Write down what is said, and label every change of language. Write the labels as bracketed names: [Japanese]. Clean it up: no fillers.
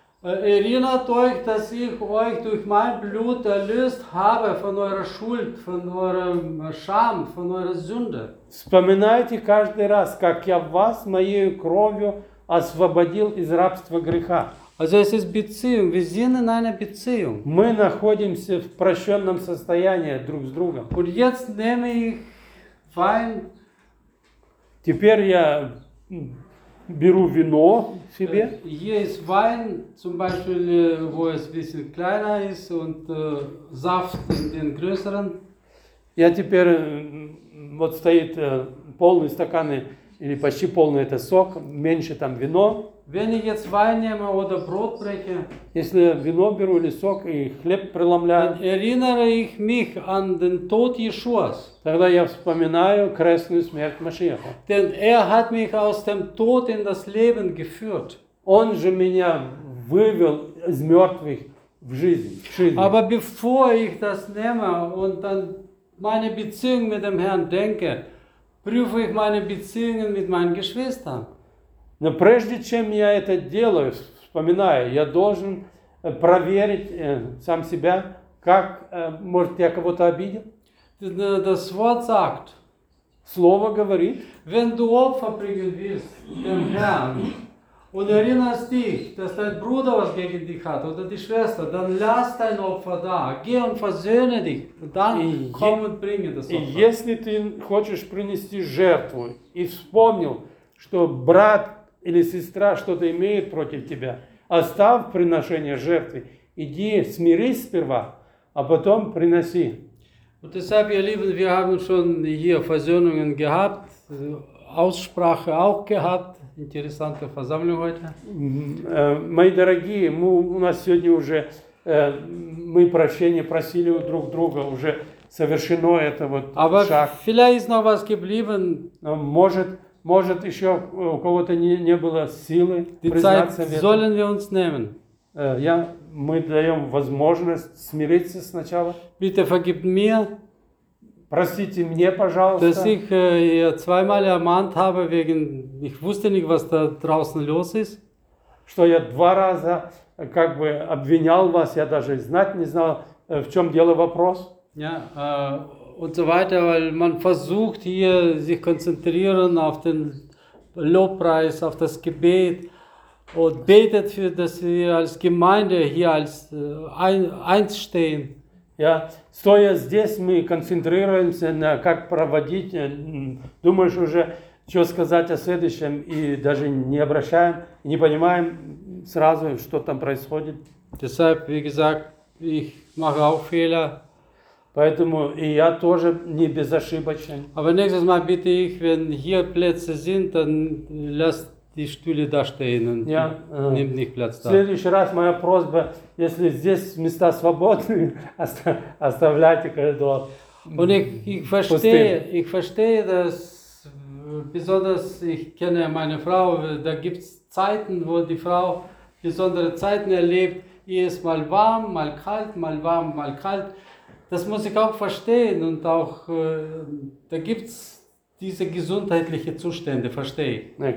[German] Erinnert euch, dass ich euch durch mein Blut erlöst habe von eurer Schuld, von eurem Scham, von eurer Sünde. [Russian] Вспоминайте каждый раз, как я вас моей кровью освободил из рабства греха. [German] Also es ist Beziehung, wir sind in einer Beziehung. [Russian] Мы находимся в прощенном состоянии друг с другом. [German] Und jetzt nehme ich Wein. [Russian] Теперь я беру вино себе. [German] Есть Wein, zum Beispiel, wo es ein bisschen kleiner ist, und Saft in den größeren. [Russian] Я теперь, вот стоит полный стакан, или почти полный это сок, меньше там вино. [German] Wenn ich jetzt Wein nehme oder Brot breche, [Russian] если вино беру или сок и хлеб преломляю, [German] dann erinnere ich mich an den Tod Jeschuas. [Russian] Тогда я вспоминаю крестную смерть Машиаха. [German] Denn hat mich aus dem Tod in das Leben geführt. [Russian] Он же меня вывел из мертвых в жизнь. [German] Aber bevor ich das nehme und dann meine Beziehung mit dem Herrn denke, prüfe ich meine Beziehungen mit meinen Geschwistern. [Russian] Но прежде чем я это делаю, вспоминаю, я должен проверить сам себя, как, может, я кого-то обидел? [German] Das Wort sagt, [Russian] слово говорит, [German] wenn du Opfer bringen willst dem Herrn und erinnerst dich, dass dein Bruder was gegen dich hat oder die Schwester, dann lass dein Opfer da, geh und versöhne dich, und dann komm und bring das Opfer. [Russian] И если ты хочешь принести жертву и вспомнил, что брат или сестра что-то имеет против тебя, оставь приношение жертвы, иди, смирись сперва, а потом приноси. [German] Und deshalb, ihr Lieben, wir haben schon hier Versöhnungen gehabt, Aussprache auch gehabt, interessante Versammlung heute. [Russian] Мои дорогие, мы у нас сегодня уже мы прощение просили у друг друга уже совершено это вот [German] Aber [Russian] шаг. [German] Vielleicht noch was geblieben. [Russian] Может, еще у кого-то не было силы признаться в этом. Мы даем возможность смириться сначала. [German] Bitte vergib mir. [Russian] Простите мне, пожалуйста. [German] Dass ich zweimal ermahnt habe, wegen, ich wusste nicht, was da draußen los ist. [Russian] что я два раза как бы обвинял вас, я даже знать не знал, в чем дело вопрос. [German] Und so weiter, weil man versucht hier sich konzentrieren auf den Lobpreis, auf das Gebet und betet für, dass wir als Gemeinde hier als eins stehen. [Russian] Ja, стоя здесь мы концентрируемся на как проводить, думаешь уже, что сказать о следующем и даже не обращаем, не понимаем сразу, что там происходит. [German] Deshalb, wie gesagt, ich mache auch Fehler. [Russian] Поэтому и я тоже не безошибочен. [German] Aber nächstes Mal bitte ich, wenn hier Plätze sind, dann lass die Stühle da stehen und nimm nicht Platz da. [Russian] В следующий раз моя просьба, если здесь места свободны, оставляйте коридор. [German] Und ich verstehe, dass besonders ich kenne meine Frau, da gibt's Zeiten, wo die Frau besondere Zeiten erlebt, hier ist mal warm, mal kalt, mal warm, mal kalt. Das muss ich auch verstehen und auch da gibt's diese gesundheitliche Zustände, verstehe ich.